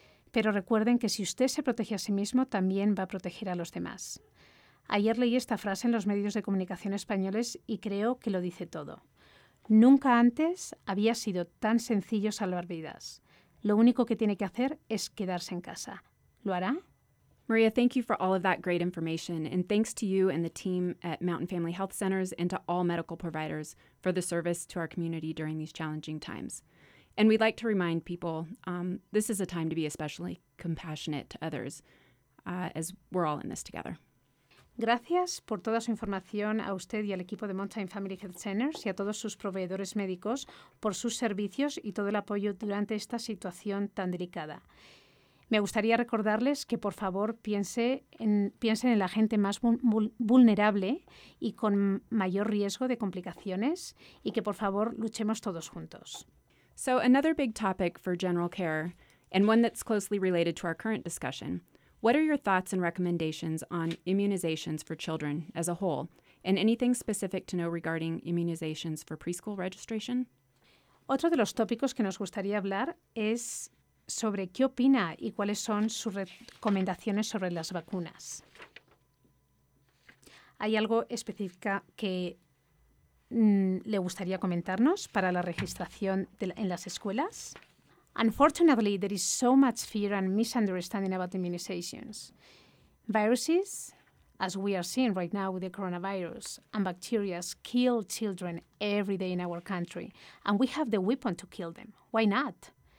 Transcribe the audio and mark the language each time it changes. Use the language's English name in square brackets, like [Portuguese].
[Spanish] Pero recuerden que si usted se protege a sí mismo, también va a proteger a los demás. Ayer leí esta frase en los medios de comunicación españoles y creo que lo dice todo. Nunca antes había sido tan sencillo salvar vidas. Lo único que tiene que hacer es quedarse en casa. ¿Lo hará? [English] Maria, thank you for all of that great information, and thanks to you and the team at Mountain Family Health Centers and to all medical providers for the service to our community during these challenging times. And we'd like to remind people, this is a time to be especially compassionate to others, as we're all in this together. [Spanish] Gracias por toda su información a usted y al equipo de Mountain Family Health Centers y a todos sus proveedores médicos por sus servicios y todo el apoyo durante esta situación tan delicada. Me gustaría recordarles que, por favor, piensen en la gente más vulnerable y con mayor riesgo de complicaciones y que, por favor, luchemos todos juntos. [English] So another big topic for general care, and one that's closely related to our current discussion, what are your thoughts and recommendations on immunizations for children as a whole, and anything specific to know regarding immunizations for preschool registration? [Spanish] Otro de los tópicos que nos gustaría hablar es sobre qué opina y cuáles son sus recomendaciones sobre las vacunas. ¿Hay algo específico que le gustaría comentarnos para la registración en las escuelas? [English] Unfortunately, there is so much fear and misunderstanding about immunizations. Viruses, as we are seeing right now with the coronavirus, and bacteria kill children every day in our country, and we have the weapon to kill them. Why not?